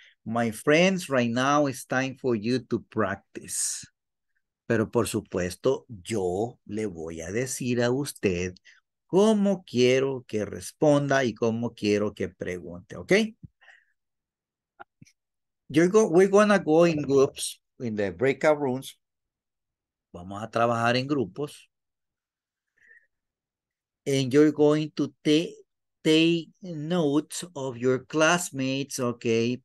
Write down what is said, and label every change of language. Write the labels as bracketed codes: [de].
[en] My friends, right now it's time for you to practice. [es] Pero por supuesto, yo le voy a decir a usted cómo quiero que responda y cómo quiero que pregunte, ¿ok? [en] We're gonna go in groups, in the breakout rooms. [es] Vamos a trabajar en grupos. [en] And you're going to take notes of your classmates, ¿ok?